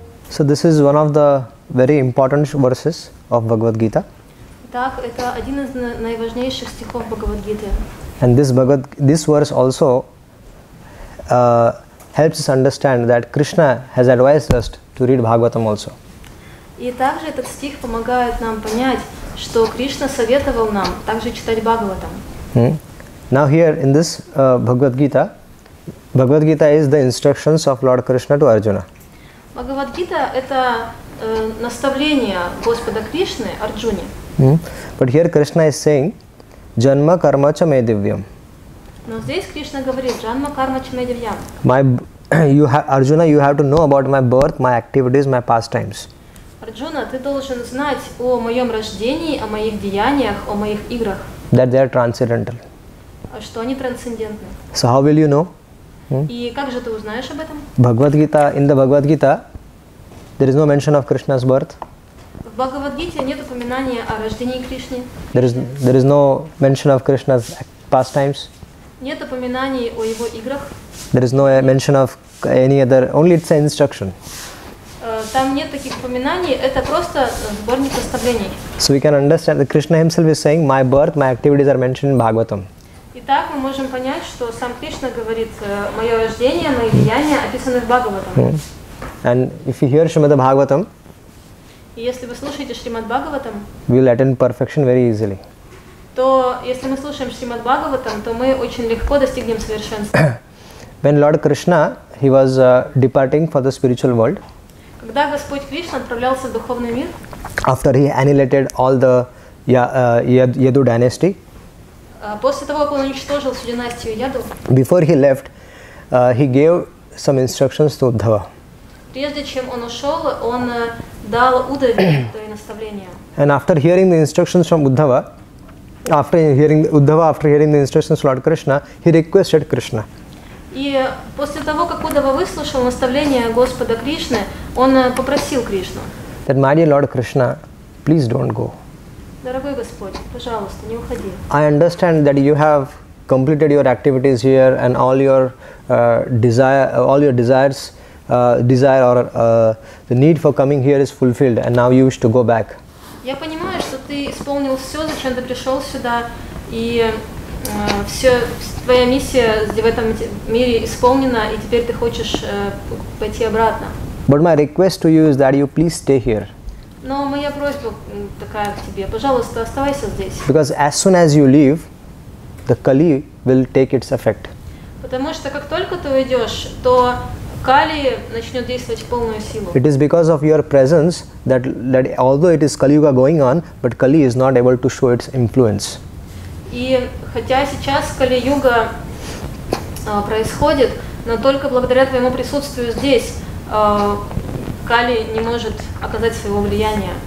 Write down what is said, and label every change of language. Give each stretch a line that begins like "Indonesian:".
English: So this is one of the very important verses of Bhagavad Gita.
Russian: Так это один из найважнейших стихов Бхагавад Гиты.
English: And this verse also helps us understand that Krishna has advised us to read Bhagavatam also.
Russian: И также этот стих помогает нам понять, что Кришна советовал нам также читать Бхагаватам.
English: Now here in this Bhagavad Gita, Bhagavad Gita is the instructions of Lord Krishna to Arjuna.
Russian: Bhagavad Gita это наставление Господа Кришны Арджуне.
English: But here Krishna is saying,
Sanskrit: "Janma karma cha me divyam."
Russian: Но здесь Кришна говорит,
Sanskrit: "Janma karma cha me divyam."
English: Arjuna, you have to know about my birth, my activities, my pastimes.
Russian: Арджуна, ты должен знать о моем рождении, о моих деяниях, о моих играх.
English: That they are transcendental.
Russian: Что они трансцендентны?
English: So how will you know?
Russian: И как же ты узнаешь об этом?
English: Bhagavad Gita, in the Bhagavad Gita, there is no mention of Krishna's birth.
Russian: В Бхагавад Гите нет упоминания о рождении Кришны.
English: There is no mention of Krishna's pastimes.
Russian: Нет упоминаний о его играх.
English: There is no mention of any other. Only it's an instruction.
Russian: Там нет таких упоминаний. Это просто сборник наставлений.
English: So we can understand that Krishna himself is saying, my birth, my activities are mentioned in Bhagavatam.
Russian: Итак, мы можем понять, что сам Кришна говорит, мое рождение, мои деяния описаны в Бхагаватам.
English: And if you hear Srimad Bhagavatam,
Russian: если вы слушаете Шримад Бхагаватам,
English: we will attain perfection very easily.
Russian: То если мы слушаем Шримад Бхагаватам, то мы очень легко достигнем совершенства.
English: When Lord Krishna, he was departing for the spiritual world,
Russian: когда Господь Кришна отправлялся в духовный мир,
English: after he annihilated all the Yadu dynasty,
Russian: после того, как он уничтожил всю династию Яду,
English: before he left, he gave some instructions to Uddhava.
Russian: Прежде чем он ушел, он дал Удаве то наставление.
English: And after hearing the instructions from Uddhava, after hearing the instructions from Lord Krishna, he requested Krishna.
Russian: И после того, как Удава выслушал наставление Господа Кришны, он попросил Кришну.
English: That my dear Lord Krishna, please don't go.
Russian: Дорогой Господь, пожалуйста, не уходи.
English: I understand that you have completed your activities here and all your desires. Desire or the need for coming here is fulfilled, and now you wish to go back.
Russian: Я понимаю, что ты исполнил все, зачем ты пришел сюда, и все твоя миссия в этом мире исполнена, и теперь ты хочешь пойти обратно.
English: But my request to you is that you please stay here.
Russian: Но моя просьба такая к тебе, пожалуйста, оставайся здесь.
English: Because as soon as you leave, the Kali will take its effect.
Russian: Потому что как только ты уйдешь, то Кали начнет действовать в полную силу.
English: It is because of your presence that although it is Kali Yuga going on, but Kali is not able to show its influence.
Russian: И хотя сейчас Кали Юга происходит, но только благодаря твоему присутствию здесь Кали не может оказать своего влияния.